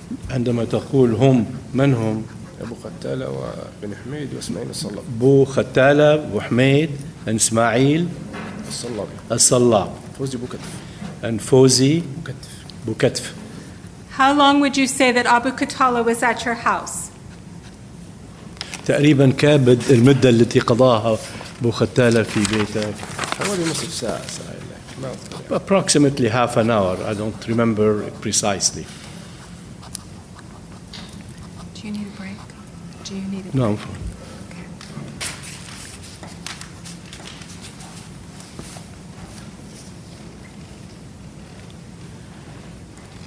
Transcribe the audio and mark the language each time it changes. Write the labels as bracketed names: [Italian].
[Arabic] عندما تقول هم من هم؟ أبو قتالة وابن حميد وإسماعيل الصلاب. أبو قتالة أبو حميد [English] and [Arabic] إسماعيل. الصلاب. الصلاب. فوزي بوكتف. [English] And فوزي. [Arabic] بوكتف. بوكتف. [English] How long would you say that Abu Qatala was at your house? [Arabic] تقريبا كابد المدة التي قضاها بوختالة في بيته حوالي نصف ساعة ساعة [English] approximately half an hour. I don't remember precisely. Do you need a break? Do you need a no, break? I'm fine.